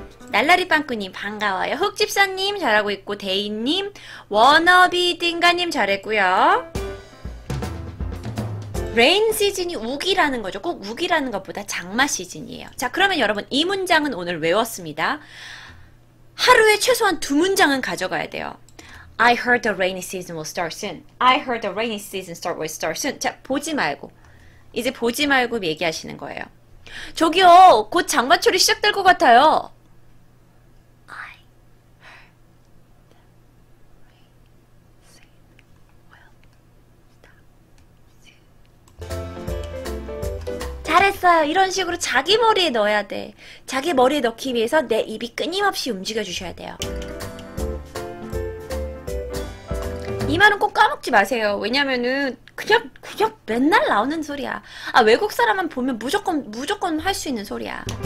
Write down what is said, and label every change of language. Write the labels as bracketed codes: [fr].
[ko] 날라리 빵꾸님 반가워요. 흑집사님 잘하고 있고 데이님 워너비 띵가님 잘했고요. 레인 시즌이 우기라는 거죠. 꼭 우기라는 것보다 장마 시즌이에요. 자, 그러면 여러분 이 문장은 오늘 외웠습니다. 하루에 최소한 두 문장은 가져가야 돼요. [en] I heard the rainy season will start soon. I heard the rainy season start will start soon. [ko] 자, 보지 말고. 이제 보지 말고 얘기하시는 거예요. 저기요, 곧 장마철이 시작될 것 같아요. [en] heard the rainy season will start soon. [ko] 잘했어요. 이런 식으로 자기 머리에 넣어야 돼. 자기 머리에 넣기 위해서 내 입이 끊임없이 움직여주셔야 돼요. 이 말은 꼭 까먹지 마세요. 왜냐면은 그냥 맨날 나오는 소리야. 아, 외국 사람만 보면 무조건 할수 있는 소리야.